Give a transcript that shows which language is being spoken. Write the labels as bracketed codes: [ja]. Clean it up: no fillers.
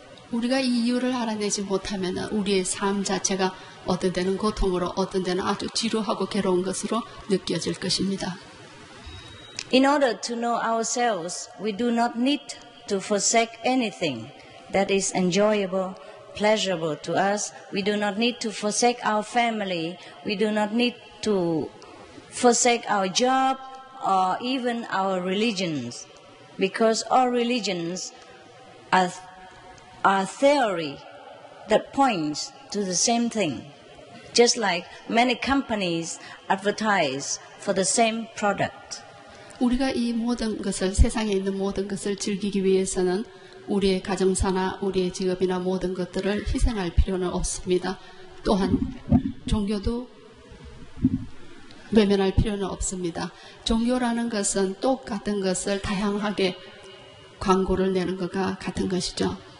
[ko] 우리가 이 이유를 알아내지 못하면 우리의 삶 자체가 어떤 때는 고통으로, 어떤 때는 아주 지루하고 괴로운 것으로 느껴질 것입니다. [en] In order to know ourselves, we do not need to forsake anything that is enjoyable, pleasurable to us. We do not need to forsake our family. We do not need to forsake our job or even our religions, because all religions are theory that points to the same thing. Just like many companies advertise for the same product. [ko] 우리가 이 모든 것을 세상에 있는 모든 것을 즐기기 위해서는 우리의 가정사나 우리의 직업이나 모든 것들을 희생할 필요는 없습니다. 또한 종교도 외면할 필요는 없습니다. 종교라는 것은 똑같은 것을 다양하게 광고를 내는 것과 같은 것이죠.